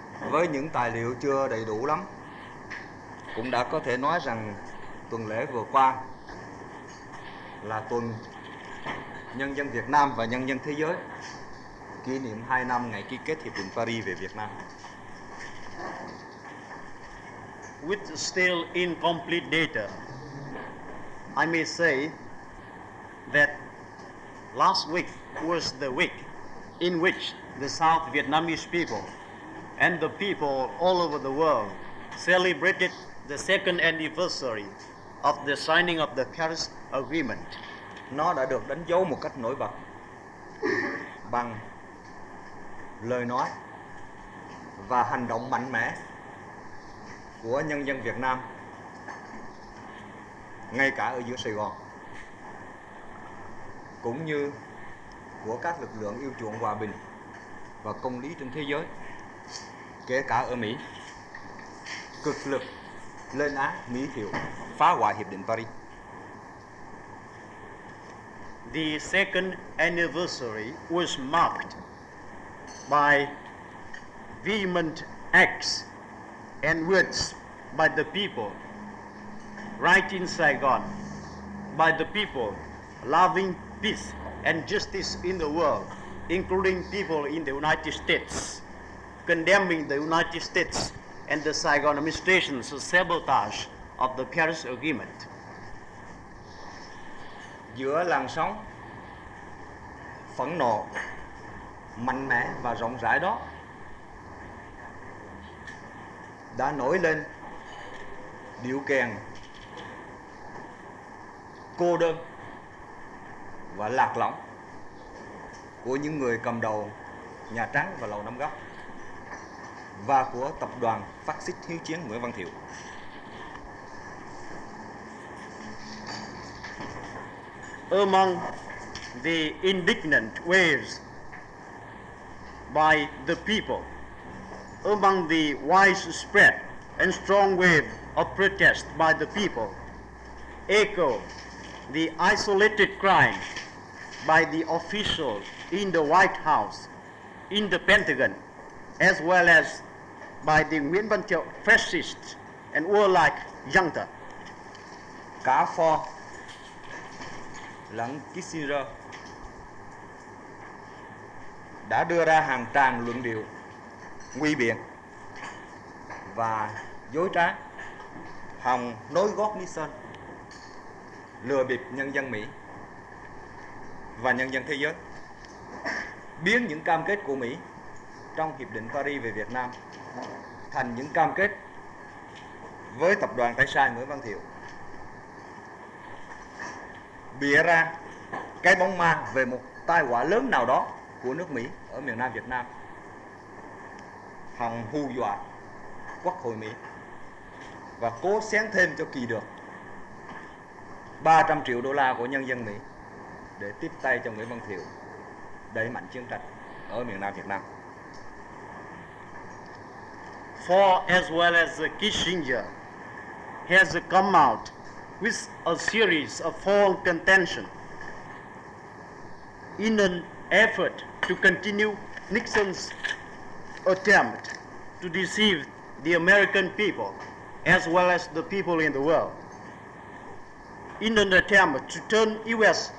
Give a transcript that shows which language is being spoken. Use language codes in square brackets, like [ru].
[vi] với những tài liệu chưa đầy đủ lắm, cũng đã có thể nói rằng tuần lễ vừa qua là tuần nhân dân Việt Nam và nhân dân thế giới kỷ niệm 2 năm ngày ký kết Hiệp định Paris về Việt Nam. [en] With still incomplete data, I may say that last week was the week in which the South Vietnamese people and the people all over the world celebrated the second anniversary of the signing of the Paris Agreement. [vi] Nó đã được đánh dấu một cách nổi bật bằng lời nói và hành động mạnh mẽ của nhân dân Việt Nam, ngay cả ở giữa Sài Gòn, cũng như của các lực lượng yêu chuộng hòa bình và công lý trên thế giới, kể cả ở Mỹ, cực lực lên án Mỹ hiệu phá hoại Hiệp định Paris. [en] The second anniversary was marked by vehement acts and words by the people right in Saigon, by the people loving peace and justice in the world, including people in the United States, condemning the United States and the Saigon administration's sabotage of the Paris Agreement. [vi] Giữa làn sóng phẫn nộ mạnh mẽ và rộng rãi đó, đã nổi lên điệu kèn cô đơn và lạc lõng của những người cầm đầu Nhà Trắng và Lầu Năm Góc và của tập đoàn phát xít hiếu chiến Nguyễn Văn Thiệu. [en] Among the indignant waves by the people, among the widespread and strong wave of protest by the people, echo the isolated cry by the officials in the White House, in the Pentagon, as well as by the Nguyễn Văn Thiệu fascist and warlike junta. [vi] Cả Ford lẫn Kissinger đã đưa ra hàng tràn luận điệu nguy biện và dối trá, hòng nối gót Nixon, lừa bịp nhân dân Mỹ và nhân dân thế giới, biến những cam kết của Mỹ trong Hiệp định Paris về Việt Nam thành những cam kết với tập đoàn tay sai Nguyễn Văn Thiệu, bịa ra cái bóng ma về một tai họa lớn nào đó của nước Mỹ ở miền Nam Việt Nam, hòng hù dọa Quốc hội Mỹ và cố xén thêm cho kỳ được 300 triệu đô la của nhân dân Mỹ để tiếp tay cho Nguyễn Văn Thiệu đẩy mạnh chiến tranh ở miền Nam Việt Nam. [en] Ford as well as Kissinger has come out with a series of foreign contention in an effort to continue Nixon's attempt to deceive the American people as well as the people in the world, in an attempt to turn U.S.